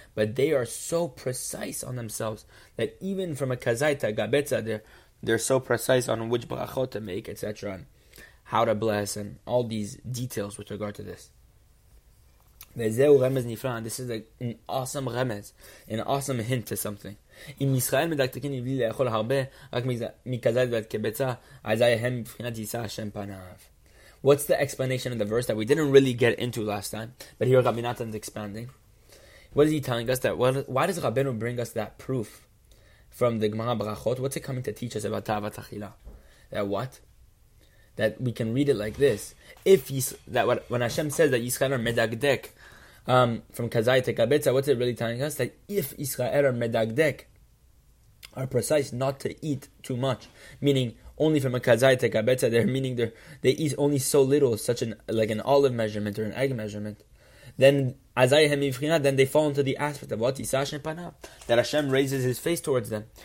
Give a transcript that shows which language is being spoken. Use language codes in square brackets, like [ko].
[en] But they are so precise on themselves that even from a kazaita, gabetza, they're so precise on which brachot to make, etc., and how to bless, and all these details with regard to this. This is an awesome remez, an awesome hint to something. [he] אם ישראל מדקדקים בלי לאכול הרבה, רק מכזית ועד קבצה, אזי הם מבחינת יישא השם פניו. [en] What's the explanation of the verse that we didn't really get into last time, but here Rabbi Nathan is expanding? What is he telling us that? Why does Rabbeinu bring us that proof from the Gemara Brachot? What's it coming to teach us about Tavat Achila? That what? that we can read it like this. When Hashem says that Yisrael are medagdek, from Kazai to Kabetza, what's it really telling us? That if Yisrael are medagdek, are precise not to eat too much, meaning only from a Kazai to Kabetza, they eat only so little, such an like an olive measurement or an egg measurement, then they fall into the aspect of what Yisrael Hashem Panav, that Hashem raises His face towards them.